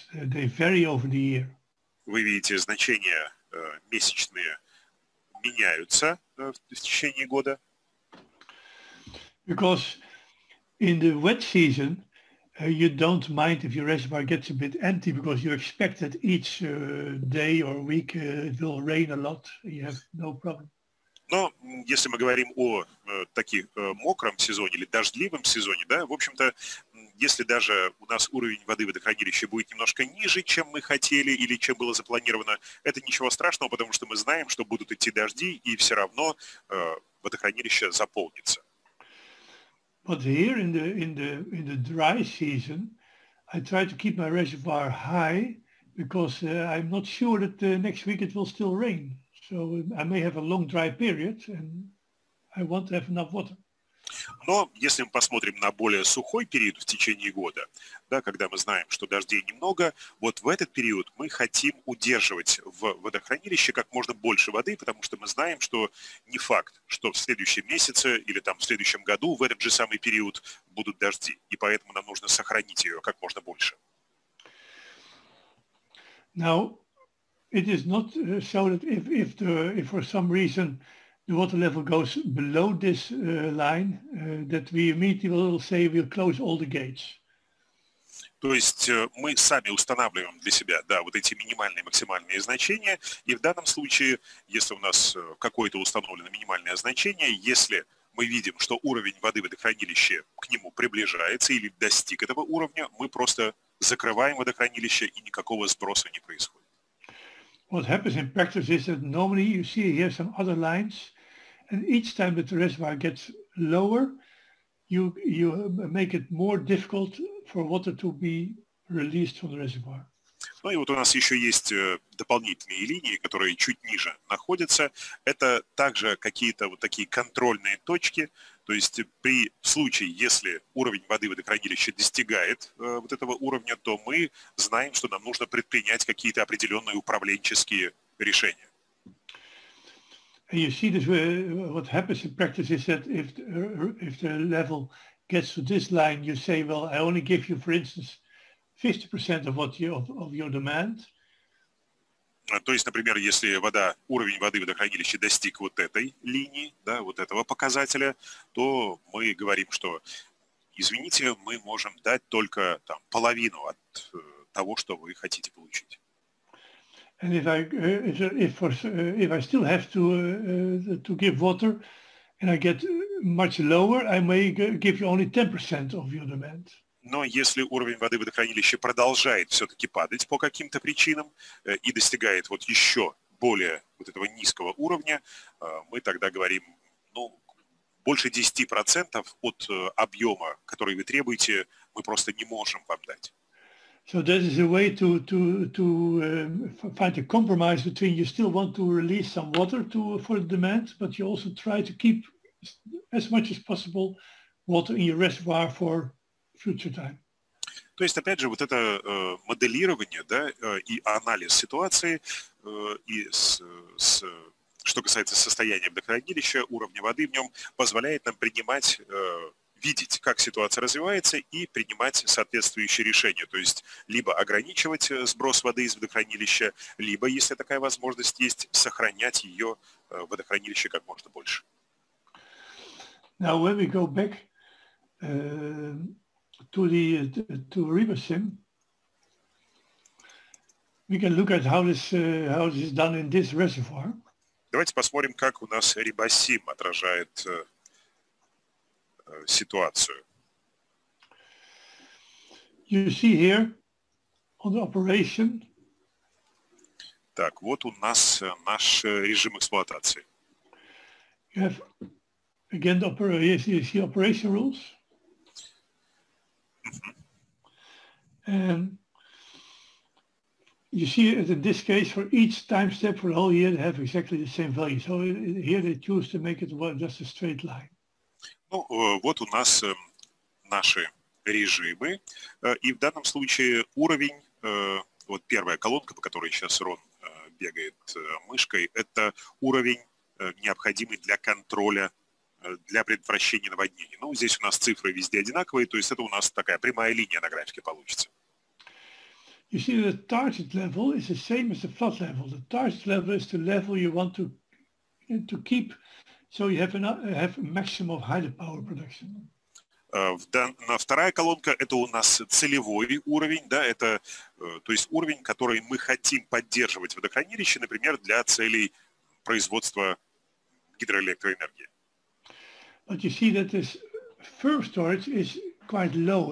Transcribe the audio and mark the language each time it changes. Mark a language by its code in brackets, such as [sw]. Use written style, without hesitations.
[en] They vary over the year. [ru] Вы видите, значения месячные меняются в течение года. [en] Because in the wet season you don't mind if your reservoir gets a bit empty because you expect that each day or week it will rain a lot. You have no problem. [ru] Но если мы говорим о таких мокром сезоне или дождливом сезоне, да, в общем-то, если даже у нас уровень воды в водохранилище будет немножко ниже, чем мы хотели или чем было запланировано, это ничего страшного, потому что мы знаем, что будут идти дожди, и все равно водохранилище заполнится. [en] But here in the dry season, I try to keep my reservoir high because I'm not sure that next week it will still rain. So I may have a long dry period, and I want to have enough water. [ru] Но если мы посмотрим на более сухой период в течение года, да, когда мы знаем, что дождей немного, вот в этот период мы хотим удерживать в водохранилище как можно больше воды, потому что мы знаем, что не факт, что в следующем месяце или там в следующем году в этот же самый период будут дожди, и поэтому нам нужно сохранить ее как можно больше. [en] Now, it is not so that if for some reason the water level goes below this line, that we immediately will say we'll close all the gates. [ru] То есть мы сами устанавливаем для себя, да, вот эти минимальные, максимальные значения. И в данном случае, если у нас какое-то установлено минимальное значение, если мы видим, что уровень воды в водохранилище к нему приближается или достиг этого уровня, мы просто закрываем водохранилище и никакого сброса не происходит. [en] What happens in practice is that normally you see here some other lines, and each time that the reservoir gets lower, you make it more difficult for water to be released from the reservoir. [ru] Ну и вот у нас еще есть дополнительные линии, которые чуть ниже находятся. Это также какие-то вот такие контрольные точки. То есть при случае, если уровень воды в водохранилище достигает вот этого уровня, то мы знаем, что нам нужно предпринять какие-то определенные управленческие решения. [en] And you see this, what happens in practice is that if the level gets to this line, you say, well, I only give you, for instance, 50% of your demand. [ru] То есть, например, если уровень воды в водохранилище достиг вот этой линии, да, вот этого показателя, то мы говорим, что, извините, мы можем дать только там половину от того, что вы хотите получить. [en] And if I still have to give water, and I get much lower, I may give you only 10% of your demand. [ru] Но если уровень воды в водохранилище продолжает все-таки падать по каким-то причинам и достигает вот еще более вот этого низкого уровня, мы тогда говорим, ну, больше 10% от объема, который вы требуете, мы просто не можем вам дать. [en] So that is a way to find a compromise between you still want to release some water for the demand, but you also try to keep as much as possible water in your reservoir for future time. [ru] То есть, опять же, вот это моделирование, да, и анализ ситуации и с что касается состояния водохранилища, уровня воды в нем, позволяет нам принимать, видеть, как ситуация развивается, и принимать соответствующие решения. То есть либо ограничивать сброс воды из водохранилища, либо, если такая возможность есть, сохранять ее в водохранилище как можно больше. [en] Now when we go back to Ribosim, we can look at how this is done in this reservoir. [ru] Давайте посмотрим, как у нас Рибосим отражает ситуацию. [en] You see here on the operation. [ru] Так, вот у нас наш режим эксплуатации. [en] You have again the operation, you see operation rules. You see that in this case, for each time step for the whole year, they have exactly the same value. So here they choose to make it just a straight line. [ru] Ну, вот у нас наши режимы. И в данном случае уровень, вот первая колонка, по которой сейчас Рон бегает мышкой, это уровень, необходимый для контроля, для предотвращения наводнений. Ну, здесь у нас цифры везде одинаковые, то есть это у нас такая прямая линия на графике получится. [en] You see, the target level is the same as the flood level. The target level is the level you want to keep, so you have a maximum of hydropower production. [ru] На вторая колонка – это у нас целевой уровень, да, это, то есть уровень, который мы хотим поддерживать в водохранилище, например, для целей производства гидроэлектроэнергии. [en] But you see that this firm storage is quite low.